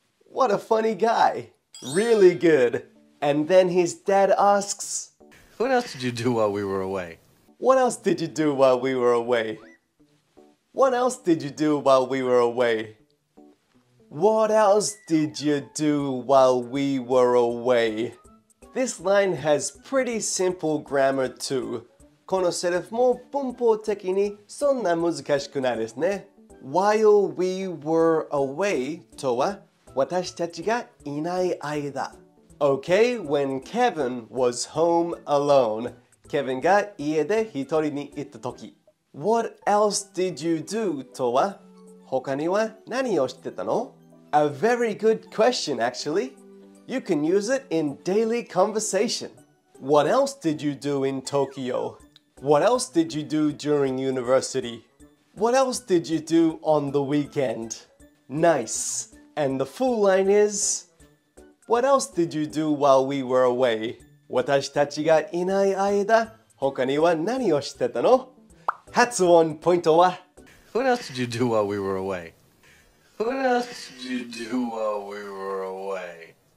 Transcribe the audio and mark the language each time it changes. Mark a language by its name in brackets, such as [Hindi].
[English] What a funny guy. Really good. And then his dad asks, What else did you do while we were away? What else did you do while we were away? What else did you do while we were away? What else did you do while we were away? This line has pretty simple grammar too. [Japanese] このセリフも文法的にそんな難しくないですね。 [English] While we were away [Japanese] とは私たちがいない間。 [English] Okay, when Kevin was home alone. [Japanese] Kevin が家で一人にいた時。 [English] What else did you do [Japanese] とは他には何をしてたの? [English] A very good question, actually. You can use it in daily conversation. What else did you do in Tokyo? What else did you do during university? What else did you do on the weekend? Nice. And the full line is... What else did you do while we were away? [Japanese] 私たちがいない間、他には何をしてたの? 発音ポイントは? [English] What else did you do while we were away? What else did you do while we were away?